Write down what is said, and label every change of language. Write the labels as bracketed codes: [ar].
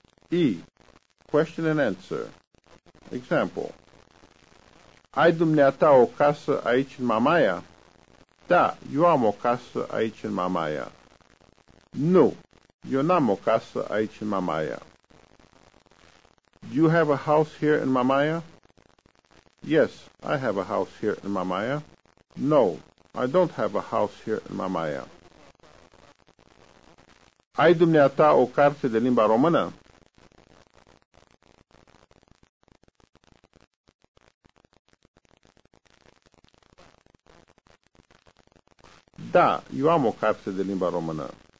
[en] E. Question and answer. Example. [ro] Ai dumneata o casă aici în Mamaia? Da, eu am o casă aici în Mamaia. Nu, eu n-am o casă aici în Mamaia. [en] Do you have a house here in Mamaia? Yes, I have a house here in Mamaia. No, I don't have a house here in Mamaia. [ro] Ai dumneata o carte de limba română? Da, eu am o carte de limba română.